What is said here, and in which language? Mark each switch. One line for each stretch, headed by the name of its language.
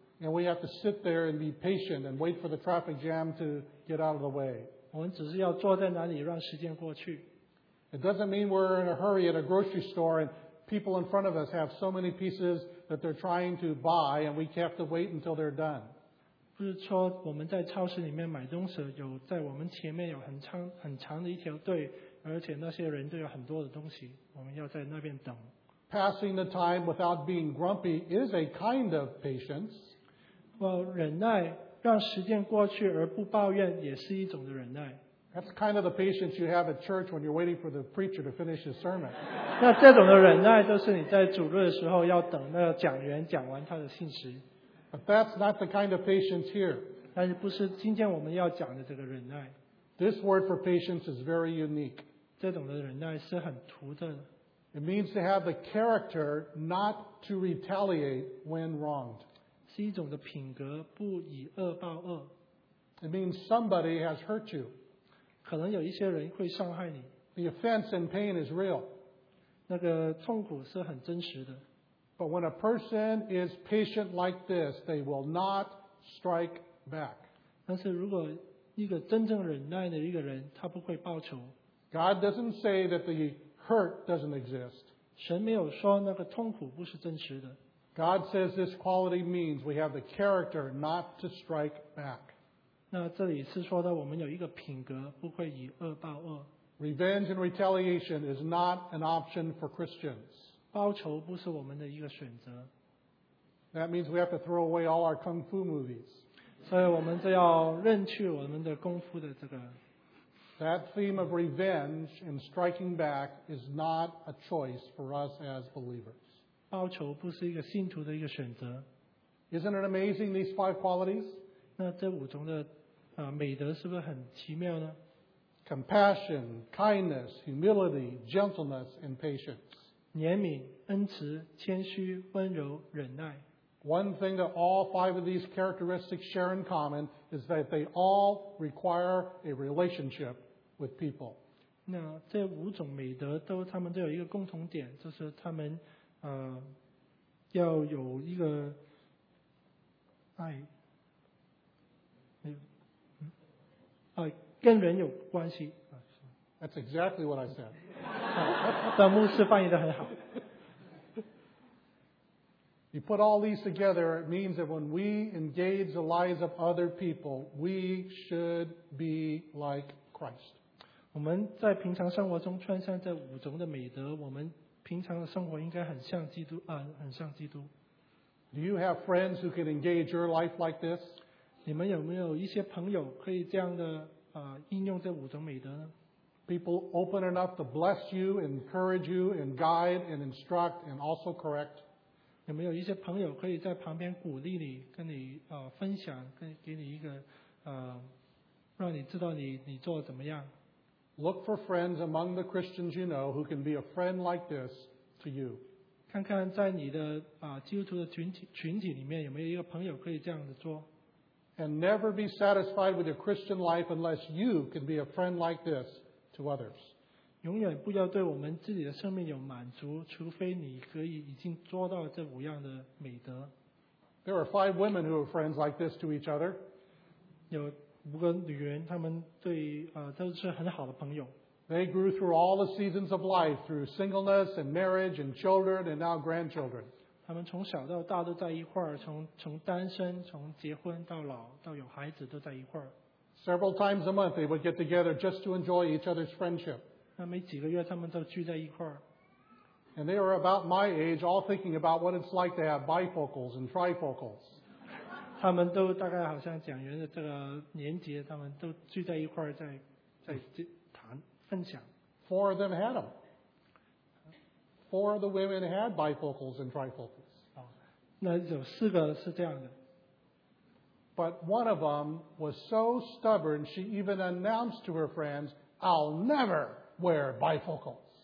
English: And we have to sit there and be patient and wait for the traffic jam to get out of the way.
Chinese: 我们只是要坐在那里让时间过去。
English: It doesn't mean we're in a hurry at a grocery store and people in front of us have so many pieces that they're trying to buy and we have to wait until they're done.
Chinese: 不是说我们在超市里面买东西，有在我们前面有很长的一条队，而且那些人都有很多的东西，我们要在那边等。
English: Passing the time without being grumpy is a kind of patience.
Chinese: Well, 忍耐，让时间过去而不抱怨也是一种的忍耐。
English: That's kind of the patience you have at church when you're waiting for the preacher to finish his sermon.
Chinese: 那这种的忍耐就是你在主日的时候要等那个讲员讲完他的信息。
English: But that's not the kind of patience here.
Chinese: 但是不是今天我们要讲的这个忍耐。
English: This word for patience is very unique.
Chinese: 这种的忍耐是很独特的。
English: It means to have the character not to retaliate when wronged.
Chinese: 是一种的品格，不以恶报恶。
English: It means somebody has hurt you.
Chinese: 可能有一些人会伤害你。
English: The offense and pain is real.
Chinese: 那个痛苦是很真实的。
English: But when a person is patient like this, they will not strike back.
Chinese: 但是如果一个真正忍耐的一个人，他不会报仇。
English: God doesn't say that the hurt doesn't exist.
Chinese: 神没有说那个痛苦不是真实的。
English: God says this quality means we have the character not to strike back.
Chinese: 那这里是说的我们有一个品格不会以恶报恶。
English: Revenge and retaliation is not an option for Christians.
Chinese: 报仇不是我们的一个选择。
English: That means we have to throw away all our kung fu movies.
Chinese: 所以我们就要扔去我们的功夫的这个。
English: That theme of revenge and striking back is not a choice for us as believers.
Chinese: 报仇不是一个信徒的一个选择。
English: Isn't it amazing these five qualities?
Chinese: 那这五种的美德是不是很奇妙呢？
English: Compassion, kindness, humility, gentleness, and patience.
Chinese: 怜悯、恩慈、谦虚、温柔、忍耐。
English: One thing that all five of these characteristics share in common is that they all require a relationship with people.
Chinese: 那这五种美德都他们都有一个共同点，就是他们要有一个爱。跟人有关系。
English: That's exactly what I said.
Chinese: 但牧师翻译得很好。
English: You put all these together, it means that when we engage the lives of other people, we should be like Christ.
Chinese: 我们在平常生活中穿上这五种的美德，我们平常的生活应该很像基督，很像基督。
English: Do you have friends who can engage your life like this?
Chinese: 你们有没有一些朋友可以这样的应用这五种美德呢？
English: People open enough to bless you, encourage you, and guide and instruct and also correct.
Chinese: 有没有一些朋友可以在旁边鼓励你，跟你分享，给你一个让你知道你做的怎么样？
English: Look for friends among the Christians you know who can be a friend like this to you.
Chinese: 看看在你的基督徒的群体里面有没有一个朋友可以这样子做。
English: And never be satisfied with your Christian life unless you can be a friend like this to others.
Chinese: 永远不要对我们自己的生命有满足，除非你可以已经做到这五样的美德。
English: There are five women who are friends like this to each other.
Chinese: 有五个女人，她们对都是很好的朋友。
English: They grew through all the seasons of life, through singleness and marriage and children and now grandchildren.
Chinese: 他们从小到大都在一块儿，从单身，从结婚到老，到有孩子都在一块儿。
English: Several times a month they would get together just to enjoy each other's friendship.
Chinese: 那每几个月他们都聚在一块儿。
English: And they were about my age, all thinking about what it's like to have bifocals and trifocals.
Chinese: 他们都大概好像讲员的这个年纪，他们都聚在一块儿在谈分享。
English: Four of them had them. Four of the women had bifocals and trifocals.
Chinese: 那有四个是这样的。
English: But one of them was so stubborn, she even announced to her friends, I'll never wear bifocals.